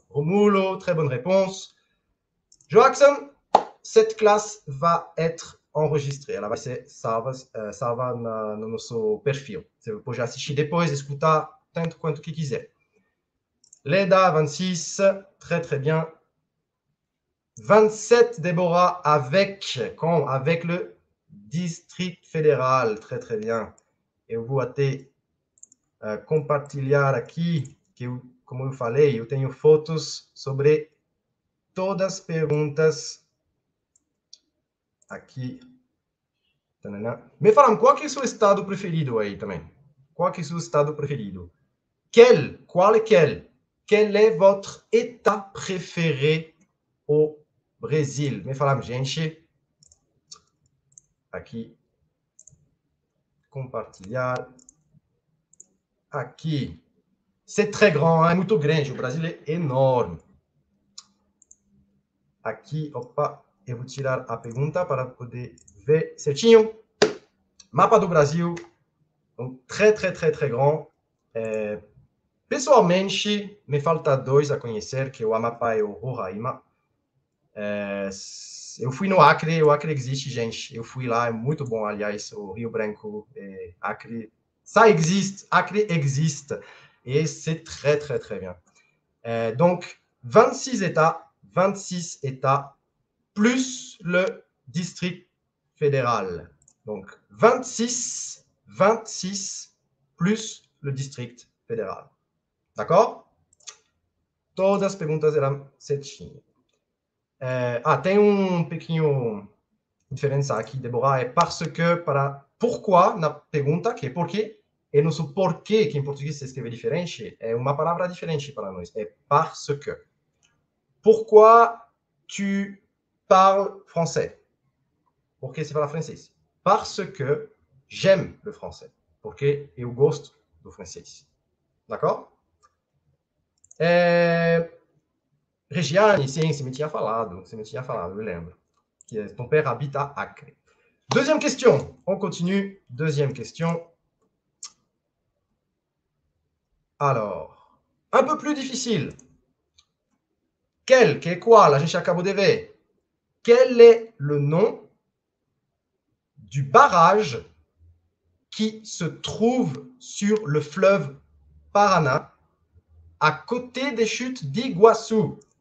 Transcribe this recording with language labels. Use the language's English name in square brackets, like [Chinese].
[French] Romulo, très bonne réponse. Joaxon, cette classe va être enregistrée. [Portuguese] Ela vai ser salva no nosso perfil. Você pode assistir depois, escutar tanto quanto que quiser. [French] Leda, 26, très très bien. 27, Déborah, avec le district fédéral. Très, très bien. Et vous, Athée, [Portuguese] compartilhar aqui que, como eu falei, eu tenho fotos sobre todas as perguntas aqui. Me falam, qual que é o seu estado preferido aí também? Qual que é o seu estado preferido? Qual é quel? [French] Quel é votre état préféré au Brésil? [Portuguese] Me falam, gente. Aqui. Compartilhar. Aqui. [French] C'est très grand, hein? [Portuguese] É muito grande. O Brasil é enorme. Aqui, opa. Eu vou tirar a pergunta para poder ver certinho. Mapa do Brasil. [French] Então, très, très, très, très grand. [Portuguese] Pessoalmente, me falta dois a conhecer, que é o Amapá e o Roraima. Eu fui no Acre. O Acre existe, gente. Eu fui lá. É muito bom, aliás. O Rio Branco, Acre. [French] Ça existe. [Portuguese] Acre existe. [French] E c'est très, très, très bien. Donc, 26 États. 26 États plus le district fédéral. Donc, 26, 26 plus le district fédéral. D'accord? [Portuguese] Todas as perguntas eram certinhas. Tem um pequeno diferença aqui, Deborah. É parce que, para pourquoi, na pergunta, que é porquê, e no seu porquê, que em português se escreve diferente, é uma palavra diferente para nós. [French] É parce que. Pourquoi tu parles français? [Portuguese] Porque você fala francês. [French] Parce que j'aime le français. [Portuguese] Porque eu gosto do francês. D'accord? Regiane, sim, você me tinha falado. Você me tinha falado, eu lembro. [French] Que é, ton père habite à Acre. Deuxième question. On continue. Deuxième question. Alors, un peu plus difficile. Quel, que quoi? [Portuguese] La gente acabou de ver. [French] Quel est le nom du barrage qui se trouve sur le fleuve Paraná à côté des chutes d'Iguaçu.